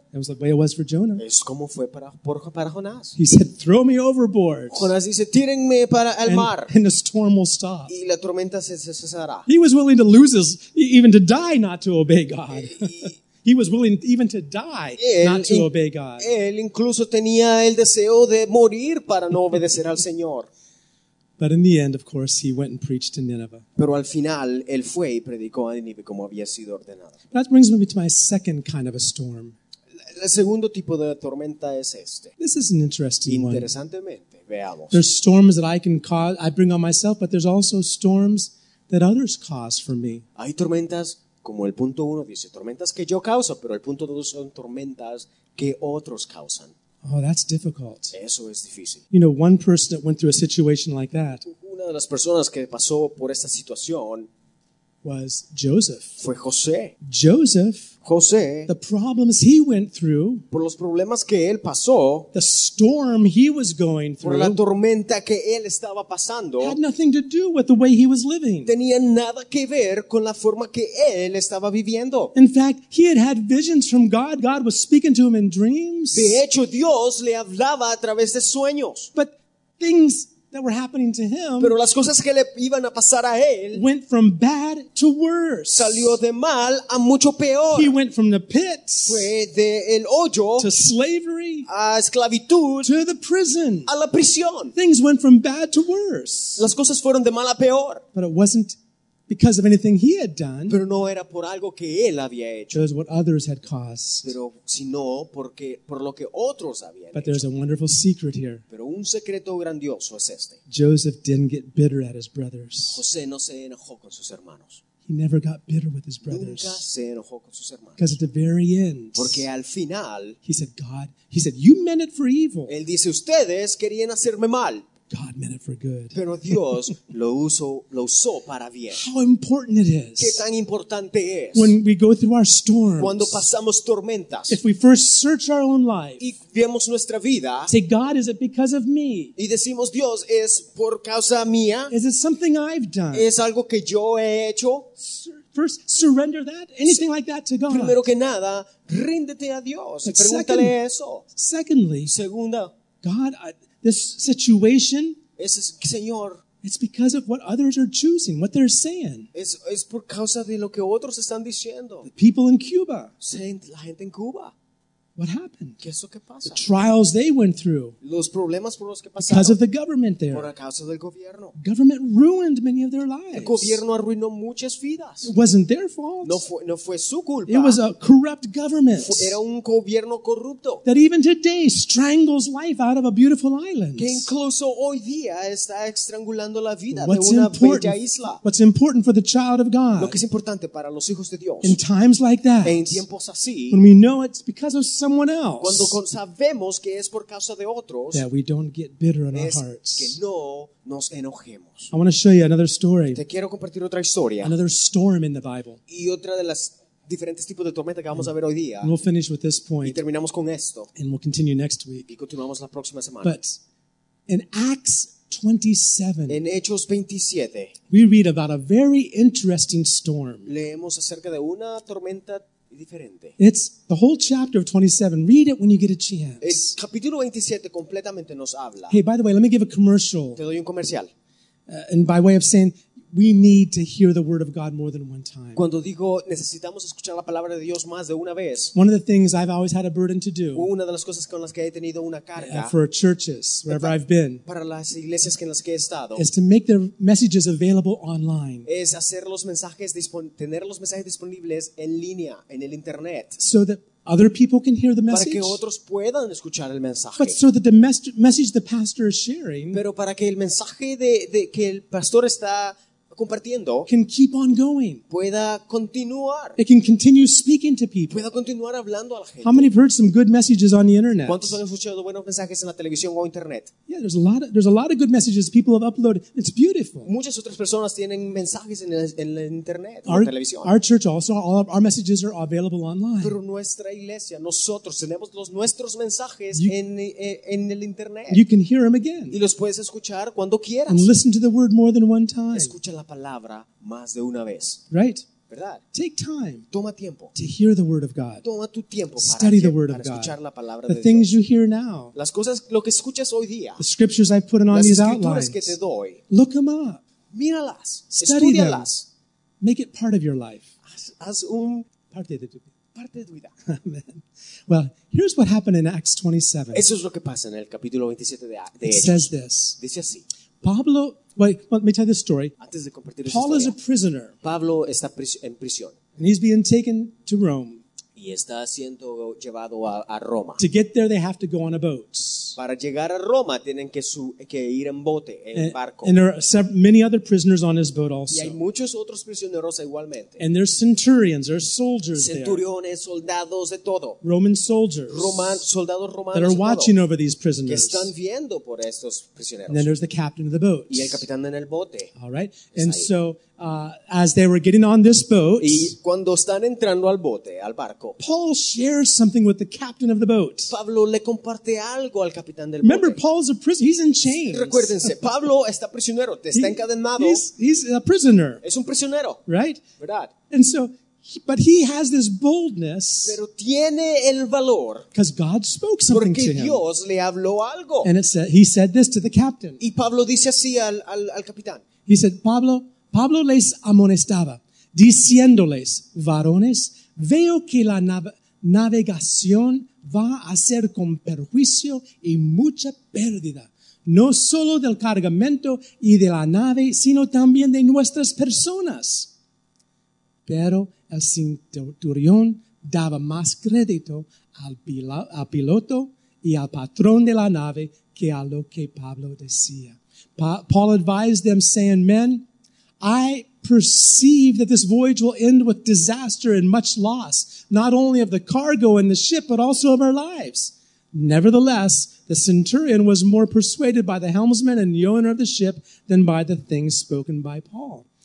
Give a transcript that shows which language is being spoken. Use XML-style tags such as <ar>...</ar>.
<en>It was the way it was for Jonah.</en> <es>Es como fue para Jonás.</es> <en>He said, "Throw me overboard."</en> <es>Jonás dice, "Tírenme para el mar."</es> <en>And the storm will stop.</en> <es>Y la tormenta se cesará.</es> <en>He was willing to lose his, even to die, not to obey God. He was willing even to die not to obey God.</en> <es>Él incluso tenía el deseo de morir para no obedecer al Señor.</es> <en>But in the end, of course, he went and preached to Nineveh.</en> <es>Pero al final, él fue y predicó a Nineveh como había sido ordenado.</es> <en>That brings me to my second kind of a storm.</en> <es>El segundo tipo de tormenta es este.</es> <en>This is an interesting one.</en> <es>Interesantemente, veamos.</es> <en>There's storms that I can cause, I bring on myself, but there's also storms that others cause for me.</en> <es>Hay tormentas, como el punto uno dice, tormentas que yo causo, pero el punto dos son tormentas que otros causan.</es> <en>Oh, that's difficult.</en> <es>Eso es difícil.</es> <en>You know, one person that went through a situation like that,</en> <es>una de las personas que pasó por esta situación,</es> <en>was Joseph.</en> <es>Fue José.</es> <en>Joseph,</en> <es>José,</es> <en>the problems he went through,</en> <es>por los problemas que él pasó,</es> <en>the storm he was going through,</en> <es>por la tormenta que él estaba pasando,</es> <en>had nothing to do with the way he was living.</en> <es>Tenía nada que ver con la forma que él estaba viviendo.</es> <en>In fact, he had had visions from God. God was speaking to him in dreams.</en> <es>De hecho, Dios le hablaba a través de sueños.</es> <en>But things that were happening to him,</en> <es>pero las cosas que le iban a pasar a él,</es> <en>went from bad to worse.</en> <es>Salió de mal a mucho peor.</es> <en>He went from the pits,</en> <es>fue de el hoyo,</es> <en>to slavery,</en> <es>a esclavitud,</es> <en>to the prison,</en> <es>a la prisión.</es> <en>Things went from bad to worse.</en> <es>Las cosas fueron de mal a peor.</es> <en>But it wasn't because of anything he had done,</en> <es>pero no era por algo que él había hecho,</es> <en>it was what others had caused,</en> <es>pero sino porque por lo que otros habían hecho.</es> <en>But there's a wonderful secret here.</en> <es>Pero un secreto grandioso es este.</es> <en>Joseph didn't get bitter at his brothers.</en> <es>José no se enojó con sus hermanos.</es> <en>He never got bitter with his brothers.</en> <es>Nunca se enojó con sus hermanos.</es> <en>Because at the very end,</en> <es>porque al final,</es> <en>he said, "God," he said, "You meant it for evil."</en> <es>Él dice, "Ustedes querían hacerme mal."</es> <en>God meant it for good.</en> <es>Pero Dios lo usó para bien.</es> <en>How important it is.</en> <es>Qué tan importante es.</es> <en>When we go through our storms.</en> <es>Cuando pasamos tormentas.</es> <en>If we first search our own life.</en> <es>Y vemos nuestra vida.</es> <en>Say, "God, is it because of me?"</en> <es>Y decimos, "Dios, ¿es por causa mía?"</es> <en>Is it something I've done?</en> <es>¿Es algo que yo he hecho?</es> <en>First, surrender that, anything like that to God.</en> <es>Primero que nada, ríndete a Dios.</es> <en>But</en> <es>pregúntale eso.</es> <en>Secondly,</en> <es>segunda,</es> <en>God, this situation,</en> <es>Señor,</es> <en>it's because of what others are choosing, what they're saying.</en> <es>Es por causa de lo que otros están diciendo.</es> <en>The people in Cuba.</en> <es>La gente en Cuba.</es> <en>What happened?</en> <es>¿Qué es lo que pasa?</es> <en>The trials they went through.</en> <es>Los problemas por los que pasaron.</es> <en>Because of the government there.</en> <es>Por causa del gobierno.</es> <en>Government ruined many of their lives.</en> <es>El gobierno arruinó muchas vidas.</es> <en>It wasn't their fault.</en> <es>No fue su culpa.</es> <en>It was a corrupt government.</en> <es>Era un gobierno corrupto.</es> <en>That even today strangles life out of a beautiful island.</en> <es>Que incluso hoy día está estrangulando la vida</es> <en>what's</en> <es>de una bella isla.</es> <en>What's important for the child of God.</en> <es>Lo que es importante para los hijos de Dios.</es> <en>In times like that.</en> <es>En tiempos así.</es> <en>When we know it's because of someone else.</en> <es>Cuando sabemos que es por causa de otros,</es> <en>that we don't get bitter in our hearts.</en> <es>Que no nos enojemos.</es> <en>I want to show you another story.</en> <es>Te quiero compartir otra historia.</es> <en>Another storm in the Bible.</en> <es>Y otra de las diferentes tipos de tormenta que vamos a ver hoy día.</es> <en>We'll finish with this point.</en> <es>Y terminamos con esto.</es> <en>And we'll continue next week.</en> <es>Y continuamos la próxima semana.</es> <en>But in Acts 27.</en> <es>En Hechos 27.</es> <en>We read about a very interesting storm.</en> <es>Leemos acerca de una tormenta.</es> <en>It's the whole chapter of 27. Read it when you get a chance.</en> <es>El capítulo 27 completamente nos habla.</es> <en>Hey, by the way, let me give a commercial.</en> <es>Te doy un comercial.</es> <en>And by way of saying, we need to hear the word of God more than one time.</en> <es>Cuando digo necesitamos escuchar la palabra de Dios más de una vez.</es> <en>One of the things I've always had a burden to do.</en> <es>Una de las cosas con las que he tenido una carga.</es> <en>For churches wherever I've been.</en> <es>Para las iglesias en las que he estado.</es> <en>Is to make their messages available online.</en> <es>Es hacer los mensajes tener los mensajes disponibles en línea en el internet.</es> <en>So that other people can hear the message.</en> <es>Para que otros puedan escuchar el mensaje.</es> <en>But so that the message the pastor is sharing.</en> <es>Pero para que el mensaje de que el pastor está compartiendo</es> <en>can keep on going.</en> <es>Pueda continuar.</es> <en>It can continue speaking to people.</en> <es>Pueda continuar hablando a la gente.</es> <en>How many have heard some good messages on the internet?</en> <es>¿Cuántos han escuchado buenos mensajes en la televisión o internet?</es> <en>Yeah, there's a lot of good messages people have uploaded. It's beautiful.</en> <es>Muchas otras personas tienen mensajes en el internet, en la televisión.</es> <en>Our church also, all of our messages are available online.</en> <es>Pero nuestra iglesia, nosotros tenemos nuestros mensajes en el internet.</es> <en>You can hear them again.</en> <es>Y los puedes escuchar cuando quieras.</es> <en>And listen to the word more than one time.</en> <es>Escucha la palabra más de una vez.</es> <en>Right?</en> <es>¿Verdad?</es> <en>Take time.</en> <es>Toma tiempo.</es> <en>To hear the word of God.</en> <es>Toma tu tiempo para</es> <en>study the word of God.</en> <es>Escuchar la palabra de Dios.</es> <en>The things you hear now.</en> <es>Las cosas, lo que escuchas hoy día.</es> <en>The scriptures I put on these outlines.</en> <es>Las escrituras que te doy.</es> <en>Look them up.</en> <es>Míralas.</es> <en>Study them.</en> <es>Estúdialas.</es> <en>Make it part of your life.</en> <es>Haz un parte de tu vida. Parte de vida.</es> <en>Amen. Well, here's what happened in Acts 27.</en> <es>Eso es lo que pasa en el capítulo 27 de Hechos.</es> <en>It says this.</en> <es>Dice así.</es> <en>Pablo, wait, let me tell this story.</en> <es>Antes de compartir esta historia.</es> <en>Paul is a prisoner.</en> <es>Pablo está en prisión.</es> <en>And he's being taken to Rome.</en> <es>Y está siendo llevado a Roma.</es> <en>To get there, they have to go on a boat.</en> <es>Para llegar a Roma, tienen que ir en bote, en barco.</es> <en>And there are many other prisoners on his boat also.</en> <es>Y hay muchos otros prisioneros igualmente.</es> <en>And there's centurions, there's soldiers there.</en> <es>Centuriones, soldados de todo.</es> <en>Roman soldiers.</en> <es>Soldados romanos.</es> <en>That are watching over these prisoners.</en> <es>Que están viendo por estos prisioneros.</es> <en>And then there's the captain of the boat.</en> <es>Y el capitán en el bote.</es> <en>All right. And so, as they were getting on this boat,</en> <es>y cuando están entrando al bote, al barco,</es> <en>Paul shares something with the captain of the boat.</en> <es>Pablo le comparte algo al capitán del</es> <en>Remember,</en> <es>bote.</es> <en>Paul's a prisoner. He's in chains.</en> <es>Recuérdense, Pablo está prisionero, está encadenado.</es> <en>He's a prisoner.</en> <es>Es un prisionero.</es> <en>Right?</en> <es>¿Verdad?</es> <en>And so, but he has this boldness.</en> <es>Pero tiene el valor.</es> <en>Because God spoke something</en> <es>porque</es> <en>to him.</en> <es>Dios le habló algo.</es> <en>And it said, he said this to the captain.</en> <es>Y Pablo dice así al capitán.</es> <en>He said,</en> <es>Pablo les amonestaba, diciéndoles, varones, veo que la navegación va a ser con perjuicio y mucha pérdida, no solo del cargamento y de la nave, sino también de nuestras personas. Pero el centurión daba más crédito al piloto y al patrón de la nave que a lo que Pablo decía.</es> <en>Paul advised them, saying, men, I perceive that this voyage will end with disaster and much loss, not only of the cargo and the ship, but also of our lives. Nevertheless, the centurion was more persuaded by the helmsman and the owner of the ship than by the things spoken by Paul.</en>